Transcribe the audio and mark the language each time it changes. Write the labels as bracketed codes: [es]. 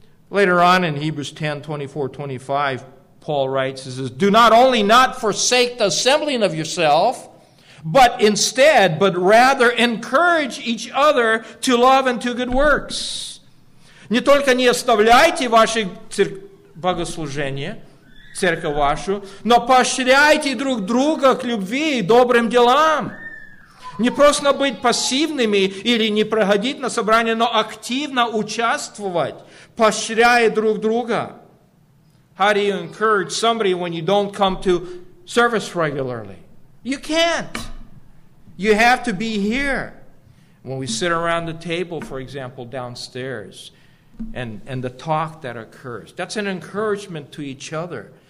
[en] Later on in Hebrews 10:24-25, Paul writes, he says, do not only not forsake the assembling of yourself, but rather encourage each other to love and to good works. [ru] Не только не оставляйте ваше богослужение, церковь вашу, но поощряйте друг друга к любви и добрым делам. Не просто быть пассивными или не проходить на собрание, но активно участвовать, поощряя друг друга. [en] How do you encourage somebody when you don't come to service regularly? You can't. You have to be here. When we sit around the table, for example, downstairs, and the talk that occurs, that's an encouragement to each other.